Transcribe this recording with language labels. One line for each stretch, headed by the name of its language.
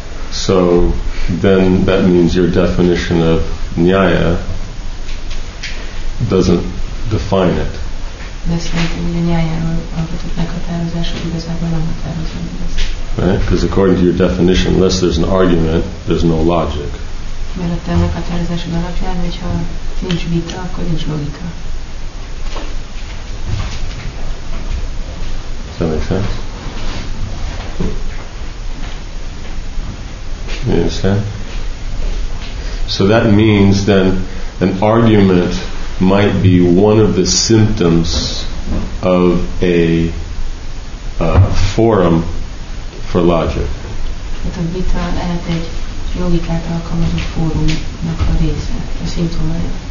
English: So then that means your definition of nyaya doesn't define it.
Hungarian: De szerintem a nyájáról alkotott meghatározása igazából nem határozza meg ezt.
English: Right? Because according to your definition, unless there's an argument, there's no logic.
Hungarian: Mert a te meghatározásod alapján, hogyha nincs vita, akkor nincs logika.
English: Does that make sense? You understand? So that means then an argument might be one of the symptoms of a forum for logic.
Hungarian: Hát a vita lehet egy logikát alkalmazó fórumnak a része, a szimptomája.